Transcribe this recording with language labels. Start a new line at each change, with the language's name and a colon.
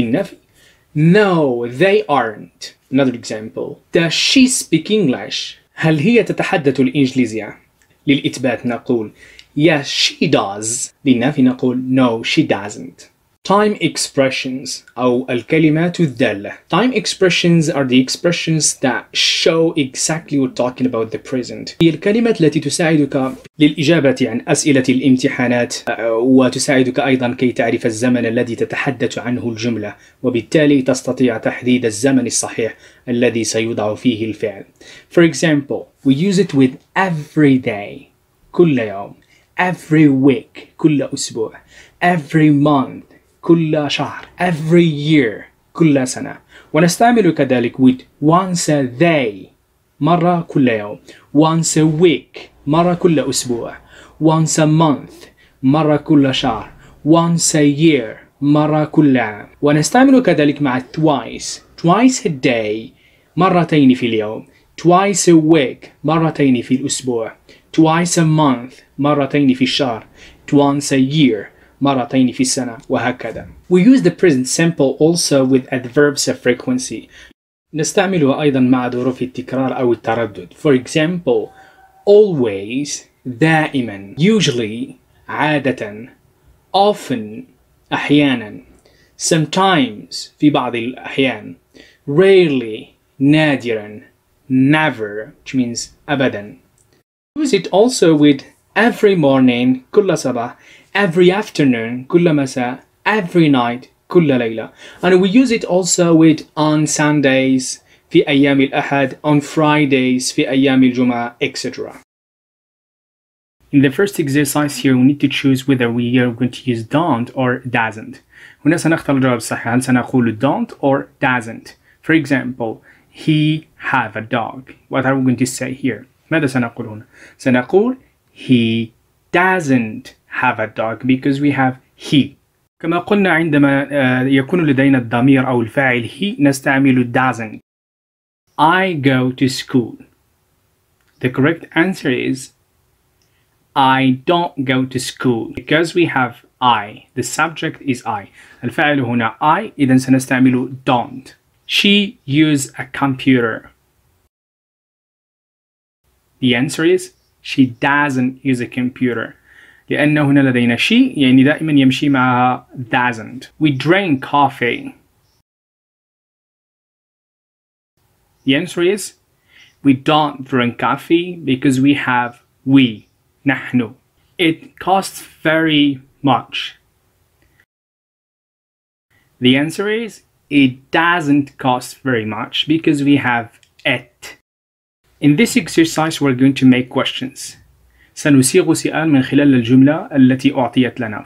Arabic: للنفي
English: No, they aren't. Another example. Does she speak English?
Arabic: هل هي تتحدث الإنجليزية؟ للإثبات نقول
English: Yes, she does.
Arabic: للنفي نقول
English: No, she doesn't. Time expressions
Arabic: أو الكلمات الدالة.
English: Time expressions are the expressions that show exactly what talking about the present.
Arabic: هي الكلمات التي تساعدك للإجابة عن أسئلة الامتحانات وتساعدك أيضا كي تعرف الزمن الذي تتحدث عنه الجملة، وبالتالي تستطيع تحديد الزمن الصحيح الذي سيوضع فيه الفعل.
English: For example, we use it with every day
Arabic: كل يوم،
English: every week
Arabic: كل أسبوع،
English: every month
Arabic: كل شهر،
English: every year
Arabic: كل سنة. ونستعمل كذلك
English: with once a day
Arabic: مرة كل يوم،
English: once a week
Arabic: مرة كل أسبوع،
English: once a month
Arabic: مرة كل شهر،
English: once a year
Arabic: مرة كل عام. ونستعمل كذلك مع
English: twice، twice a day
Arabic: مرتين في اليوم،
English: twice a week
Arabic: مرتين في الأسبوع،
English: twice a month
Arabic: مرتين في الشهر،
English: once a year
Arabic: مرتين في السنة، وهكذا.
English: We use the present simple also with adverbs of frequency.
Arabic: نستعمله أيضا مع ظروف التكرار أو التردد.
English: For example, always
Arabic: دائما،
English: usually
Arabic: عادة،
English: often
Arabic: أحيانا،
English: sometimes
Arabic: في بعض الأحيان،
English: rarely
Arabic: نادرا،
English: never which means
Arabic: أبدا.
English: Use it also with every morning
Arabic: كل صباح،
English: every afternoon
Arabic: كل مساء،
English: every night
Arabic: كل ليلة.
English: And we use it also with on Sundays
Arabic: في أيام الأحد،
English: on Fridays
Arabic: في أيام الجمعة،
English: etc. In the first exercise here we need to choose whether we are going to use don't or doesn't.
Arabic: هنا سنختار الجواب الصحيح، هل سنقول
English: don't or doesn't. For example, he have a dog. What are we going to say here?
Arabic: ماذا سنقول هنا؟ سنقول
English: he doesn't have a dog because we have he.
Arabic: كما قلنا عندما يكون لدينا الضمير أو الفاعل he نستعمل doesn't.
English: I go to school. The correct answer is I don't go to school because we have I. The subject is I.
Arabic: الفاعل هنا I، إذن سنستعمل don't.
English: She use a computer. The answer is she doesn't use a computer.
Arabic: لأن هنا لدينا she، يعني دائما يمشي معها doesn't.
English: We drink coffee. The answer is we don't drink coffee because we have we.
Arabic: نحن.
English: It costs very much. The answer is it doesn't cost very much because we have it. In this exercise, we're going to make questions.
Arabic: سنصيغ سؤال من خلال الجملة التي أعطيت لنا.